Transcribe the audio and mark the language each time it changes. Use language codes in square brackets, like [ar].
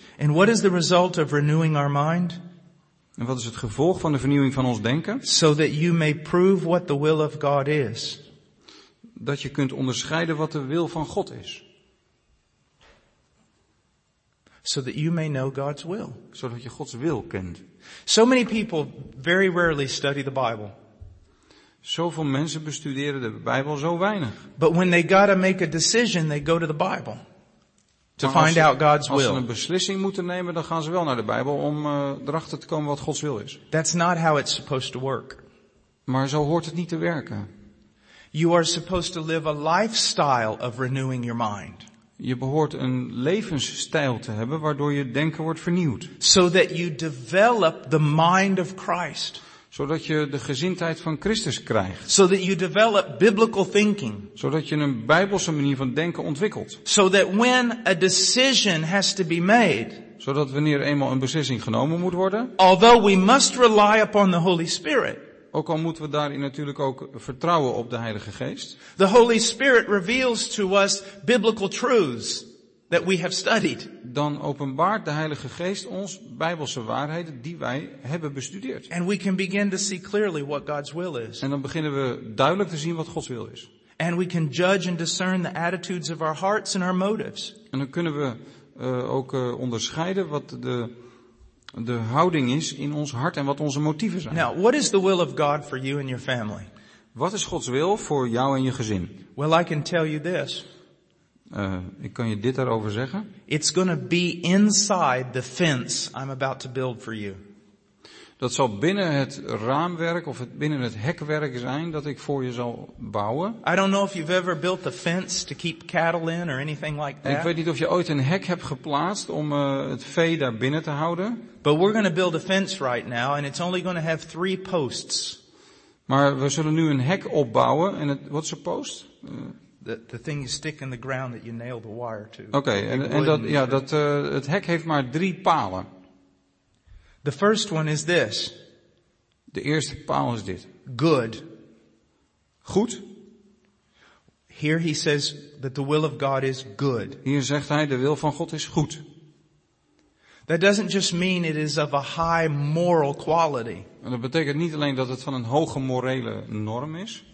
[en] And what is the result of renewing our mind? [nl] En wat is het gevolg van de vernieuwing van ons denken? [en] So that you may prove what the will of God is. [nl] Dat je kunt onderscheiden wat de wil van God is. [en] So that you may know God's will. [nl] Zodat je Gods wil kent. [en] So many people very rarely study the Bible. [nl] Zoveel mensen bestuderen de Bijbel zo weinig. [en] But when they gotta make a decision, they go to the Bible to find out God's will. [nl] Als ze een beslissing moeten nemen, dan gaan ze wel naar de Bijbel om erachter te komen wat Gods wil is. [en] That's not how it's supposed to work. [nl] Maar zo hoort het niet te werken. [en] You are supposed to live a lifestyle of renewing your mind. [nl] Je behoort een levensstijl te hebben waardoor je denken wordt vernieuwd. [en] So that you develop the mind of Christ. [nl] Zodat je de gezindheid van Christus krijgt. [en] So that you develop biblical thinking. [nl] Zodat je een bijbelse manier van denken ontwikkelt. [en] So that when a decision has to be made. [nl] Zodat wanneer eenmaal een beslissing genomen moet worden. [en] Although we must rely upon the Holy Spirit. [nl] Ook al moeten we daarin natuurlijk ook vertrouwen op de Heilige Geest. [en] The Holy Spirit reveals to us biblical truths that we have studied. [nl] Dan openbaart de Heilige Geest ons bijbelse waarheden die wij hebben bestudeerd. [en] And we can begin to see clearly what God's will is. [nl] En dan beginnen we duidelijk te zien wat Gods wil is. [en] And we can judge and discern the attitudes of our hearts and our motives. [nl] En dan kunnen we ook onderscheiden wat de houding is in ons hart en wat onze motieven zijn. [en] Now, what is the will of God for you and your family? [nl] Wat is Gods wil voor jou en je gezin? [en] Well, I can tell you this. [nl] Ik kan je dit daarover zeggen. [en] It's going to be inside the fence I'm about to build for you. [nl] Dat zal binnen het raamwerk of binnen het hekwerk zijn dat ik voor je zal bouwen. [en] I don't know if you've ever built a fence to keep cattle in or anything like that. [nl] Ik weet niet of je ooit een hek hebt geplaatst om het vee daar binnen te houden. [en] But we're going to build a fence right now and it's only going to have 3 posts. [nl] Maar we zullen nu een hek opbouwen en wat is een post? [en] The thing you stick in the ground that you nail the wire to. [nl] Okay, en dat ja, dat het hek heeft maar 3 palen. [en] The first one is this. [nl] De eerste paal is dit. [en] Good. [nl] Goed. [en] Here he says that the will of God is good. [nl] Hier zegt hij de wil van God is goed. [en] That doesn't just mean it is of a high moral quality. [nl] En dat betekent niet alleen dat het van een hoge morele norm is.